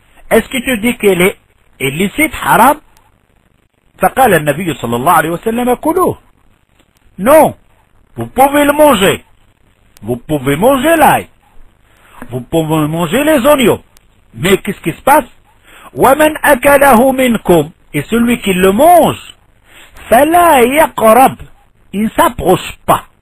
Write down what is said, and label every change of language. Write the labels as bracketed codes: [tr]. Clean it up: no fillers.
[fr] Est-ce que tu dis qu'elle est illicite, haram? [ar] فقال النبي صلى الله عليه وسلم كلوه. [fr] Non, vous pouvez le manger. Vous pouvez manger l'ail. Vous pouvez manger les oignons. Mais qu'est-ce qui se passe? [ar] ومن أكله منكم, [fr] et celui qui le mange, [ar] فلا يقرب, [fr] il ne s'approche pas.